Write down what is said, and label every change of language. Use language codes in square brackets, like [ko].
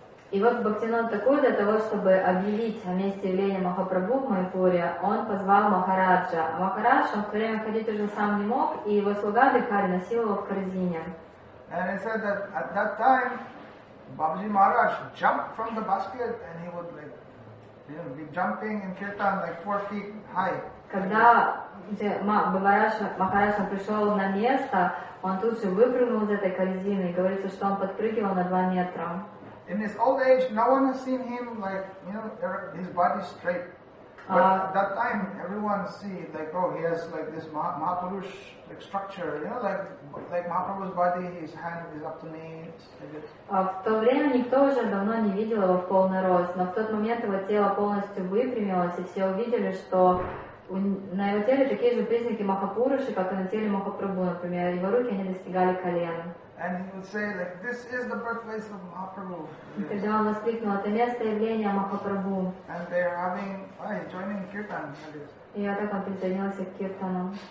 [ru] И вот Бхактивинода Такур для того, чтобы объявить о месте явления Махапрабху в Майпуре, он позвал Махараджа. А Махарадж, он в то время ходить уже сам не мог, и его слуга Бихари носил его в корзине. [en] And he said that at that time, Бабжи Махарадж jumped from the basket and he would like, you know, be jumping in kirtan like 4 feet high. [ru] Когда Махараджа пришел на место, он тут же выпрыгнул из этой корзины, и говорится, что он подпрыгивал на 2 метра. [en] In his old age, no one has seen him like, you know, his body straight. But at that time, everyone see like, oh, he has like this Mahapurush like structure, you know, like Mahaprabhu's body, his hand is up to knee. [ru] В то время никто уже давно не видел его в полный рост, но в тот момент его тело полностью выпрямилось, и все увидели, что на его теле такие же признаки Махапуруши, как и на теле Махапрабху, например, его руки не достигали колена. [en] And he would say that this is the birthplace of Mahaprabhu. [ru] Когда он воскликнул, это место явления Махапрабху. [en] And they are having, joining kirtan. [ru] И вот так он присоединился к киртану.